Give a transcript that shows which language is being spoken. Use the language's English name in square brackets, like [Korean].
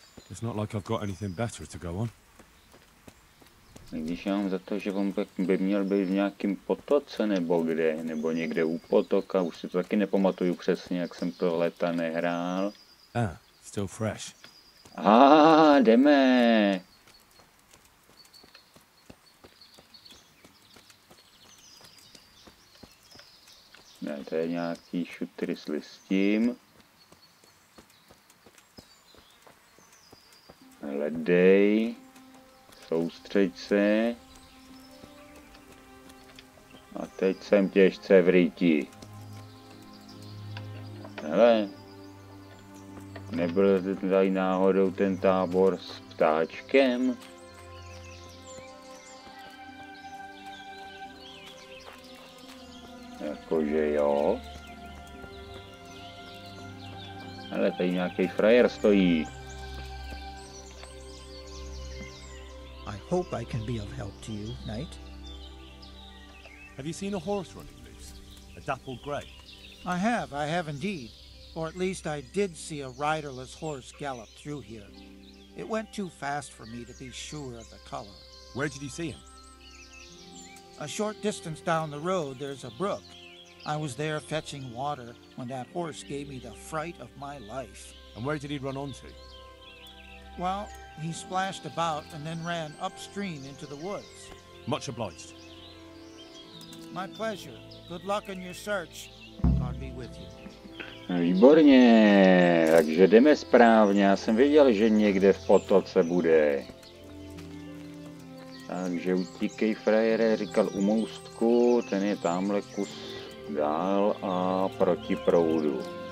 [English] It's not like I've got anything better to go on. [Czech] Když já mám za to, že on by měl být v nějakým potoce nebo kde, nebo někde u potoka, už si to taky nepamatuju přesně, jak jsem to leta nehrál. [English] Still fresh. [Czech] A jdeme. Ne, to je nějaký šutry s listím. Hledej. Soustřeď se. A teď jsem těžce v ryti. Hele. Nebyl tady náhodou ten tábor s ptáčkem? Jakože jo. Ale tady nějaký frajer stojí. [English] I hope I can be of help to you, knight. Have you seen a horse running loose? A dappled grey? I have indeed. Or at least I did see a riderless horse gallop through here. It went too fast for me to be sure of the color. Where did you see him? A short distance down the road, there's a brook. I was there fetching water when that horse gave me the fright of my life. And where did he run onto? Well, he splashed about and then ran upstream into the woods. Much obliged. My pleasure. Good luck in your search. God be with you. [Czech] Výborně, takže jdeme správně. Já jsem věděl, že někde v potoce bude. Takže utíkej, frajere, říkal u můstku, ten je tamhle kus dál a proti proudu.